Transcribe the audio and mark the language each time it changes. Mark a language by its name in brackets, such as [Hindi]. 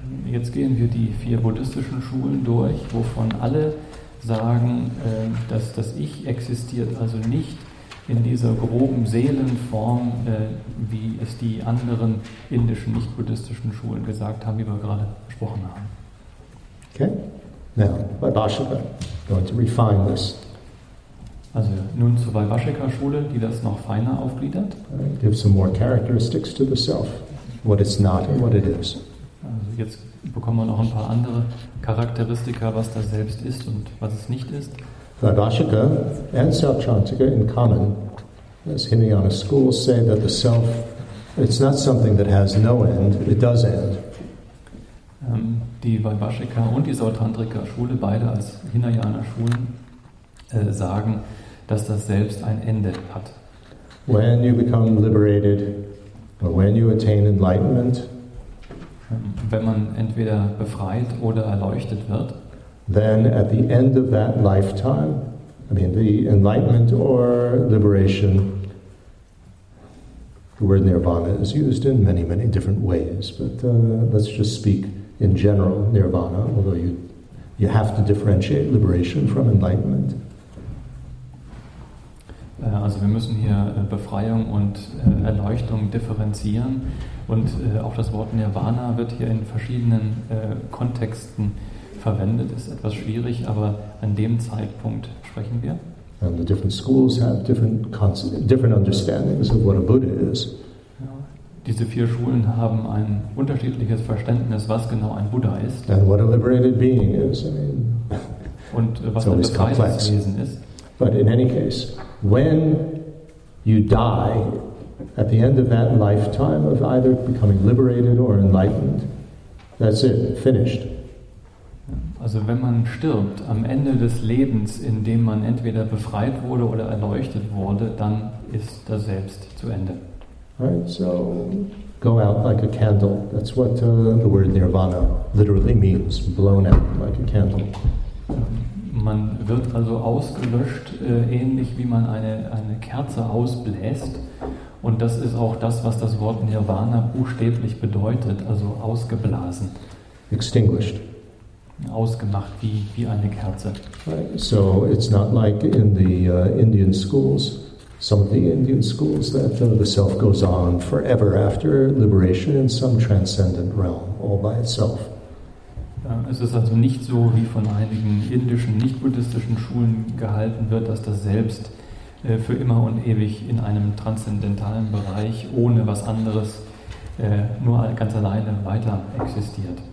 [German] Jetzt gehen wir die vier buddhistischen Schulen durch, wovon alle sagen, dass das Ich existiert, also nicht in dieser groben Seelenform, wie es die anderen indischen, nicht-buddhistischen Schulen gesagt haben, wie wir gerade gesprochen haben. [English] Okay, now, Vaibhashika, going to refine this. [German] Also, nun zur Vaibhashika-Schule, die das noch feiner aufgliedert. [English] Give some more characteristics to the self, what it's not and what it is. [German] Also, jetzt bekommen wir noch ein paar andere Charakteristika, was das Selbst ist und was es nicht ist. [English] Vaibhashika and Selbstchantika in common, as Hinayana schools say, that the self, it's not something that has no end, it does end. [German] Die Vaibhashika und die Selbstchantika Schule, beide als Hinayana Schulen, sagen, dass das Selbst ein Ende hat. [English] When you become liberated, or when you attain enlightenment, [German] wenn man entweder befreit oder erleuchtet wird, [English] then at the end of that lifetime, I mean the enlightenment or liberation, the word nirvana is used in many, many different ways, but let's just speak in general nirvana, although you have to differentiate liberation from enlightenment. [German] Also wir müssen hier Befreiung und Erleuchtung differenzieren, und auch das Wort Nirvana wird hier in verschiedenen Kontexten verwendet. Ist etwas schwierig, aber an dem Zeitpunkt sprechen wir. [English] And the different schools have different understandings of what a Buddha is. [German] Diese vier Schulen haben ein unterschiedliches Verständnis, was genau ein Buddha ist. [English] And what a liberated being is. I mean, [German] und was ein befreites Wesen ist. [English] But in any case, when you die at the end of that lifetime of either becoming liberated or enlightened, that's it, finished. [German] Also wenn man stirbt am Ende des Lebens, in dem man entweder befreit wurde oder erleuchtet wurde, dann ist das Selbst zu Ende. [English] Right, so go out like a candle. That's what the word Nirvana literally means, blown out like a candle. [German] Man wird also ausgelöscht, ähnlich wie man eine Kerze ausbläst. Und das ist auch das, was das Wort Nirvana buchstäblich bedeutet, also ausgeblasen. [English] Extinguished. [German] Ausgemacht, wie eine Kerze. [English] Right. So it's not like in the Indian schools, some of the Indian schools, that the self goes on forever after liberation in some transcendent realm, all by itself. [German] Es ist also nicht so, wie von einigen indischen, nicht-buddhistischen Schulen gehalten wird, dass das Selbst für immer und ewig in einem transzendentalen Bereich ohne was anderes nur ganz alleine weiter existiert.